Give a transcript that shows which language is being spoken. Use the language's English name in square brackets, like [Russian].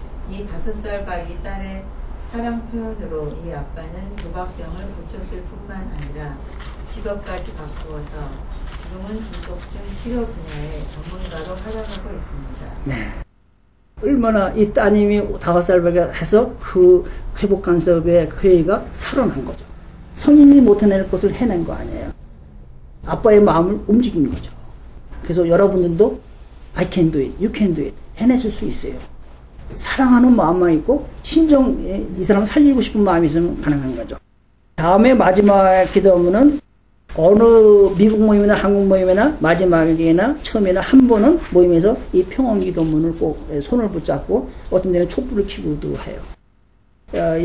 [Korean] 이 5살 박이 딸의 사랑 표현으로 이 아빠는 도박병을 고쳤을 뿐만 아니라 직업까지 바꾸어서 지금은 중독 중 치료 분야의 전문가로 활약하고 있습니다. 네. 얼마나 이 따님이 5살밖에 해서 그 회복 간섭의 회의가 살아난 거죠. 성인이 못해낼 것을 해낸 거 아니에요. 아빠의 마음을 움직이는 거죠. 그래서 여러분들도 [English] I can do it, you can do it [Korean] 해내실 수 있어요. 사랑하는 마음만 있고 친정 이 사람 살리고 싶은 마음이 있으면 가능한 거죠. 다음에 마지막 기도문은 어느 미국 모임이나 한국 모임이나 마지막이나 처음이나 한 번은 모임에서 이 평원 기도문을 꼭 손을 붙잡고 어떤 데는 촛불을 켜기도 해요.